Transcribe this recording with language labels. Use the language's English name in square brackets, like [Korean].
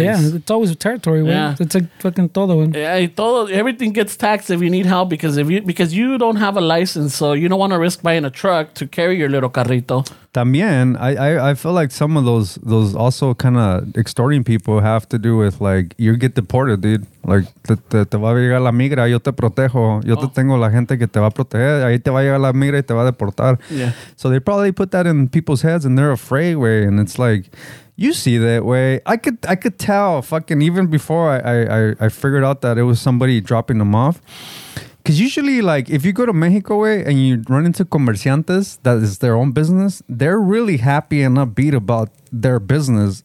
[English] Yeah, it's always a territory. Yeah. Right? It's like fucking [Spanish] todo. [English] Everything gets taxed if you need help because you don't have a license, so you don't want to risk buying a truck to carry your little carrito. [Spanish] También, [English] I feel like some of those also kind of extorting people have to do with like, you get deported, dude. [Spanish] Like, te va a llegar la migra, yo te protejo. Yo te tengo la gente que te va a proteger. Ahí te va a llegar la migra y te va a deportar. [English] Yeah. So they probably put that in people's heads and they're afraid, way. And it's like, you see that way. I could tell fucking even before I figured out that it was somebody dropping them off. Because usually, like, if you go to Mexico, way, and you run into comerciantes that is their own business, they're really happy and upbeat about their business.